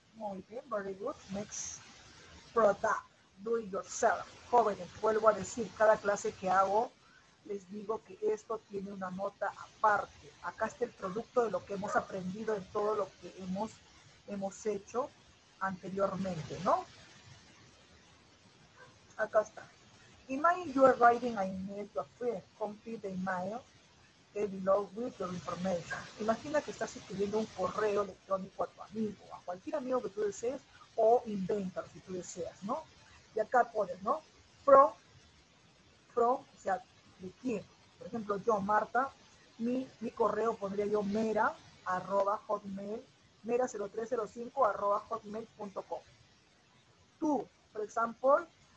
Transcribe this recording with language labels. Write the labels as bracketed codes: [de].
[es] Muy bien, [en] very good. Next, product, do it yourself. [es] Jóvenes, vuelvo a decir, cada clase que hago, les digo que esto tiene una nota aparte. Acá está el producto de lo que hemos aprendido en todo lo que hemos hecho anteriormente, ¿no? Acá está. [en] Imagine you are writing an email to a friend. Complete the email below with your information. [es] Imagina que estás escribiendo un correo electrónico a tu amigo, a cualquier amigo que tú desees, o inventa si tú deseas, ¿no? Y acá pones, ¿no? From, o sea, ¿de quién? Por ejemplo, yo, Marta, mi correo pondría yo mera0305@hotmail.com. Tú, por ejemplo,